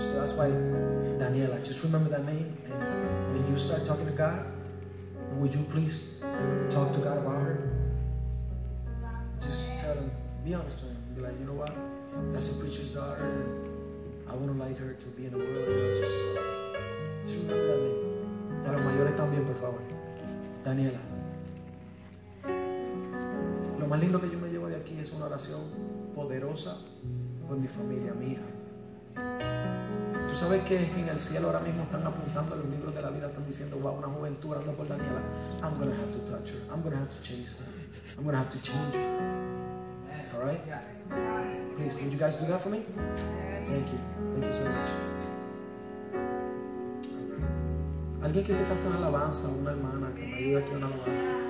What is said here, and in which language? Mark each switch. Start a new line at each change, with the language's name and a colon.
English: So that's why, Daniela, just remember that name, and when you start talking to God, would you please talk to God about her? Just tell him, be honest to him, be like, you know what, that's a preacher's daughter, and I wouldn't like her to be in the world, you know, just remember that name.
Spanish: A los mayores también, por favor.
English: Daniela.
Spanish: Lo más lindo que yo me llevo de aquí es una oración poderosa por mi familia, mi hija. Tú sabes que en el cielo ahora mismo están apuntando a los libros de la vida, están diciendo, wow, una juventud orando por Daniela.
English: I'm going to have to touch her. I'm going to have to chase her. I'm going to have to change her. All right? Please, would you guys do that for me? Thank you. Thank you so much.
Spanish: ¿Alguien que se cante una alabanza? Una hermana que me ayude aquí a una alabanza.